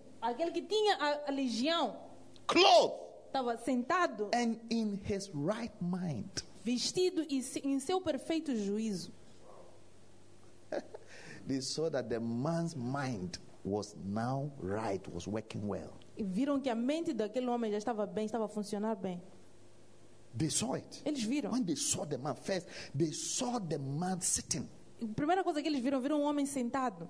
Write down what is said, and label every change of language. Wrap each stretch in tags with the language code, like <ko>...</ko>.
<pt>Aquele que tinha a legião.</pt> <en>Clothed.</en> <pt>Estava sentado.</pt> <en>And in his right mind.</en> <pt>Vestido e em seu perfeito juízo.</pt> <en>They saw that the man's mind was now right, was working well.</en> <pt>E viram que a mente daquele homem já estava bem, estava a funcionar bem.</pt> <en>They saw it.</en> <pt>Eles viram.</pt> <en>When they saw the man first, they saw the man sitting.</en> <pt>A primeira coisa que eles viram um homem sentado.</pt>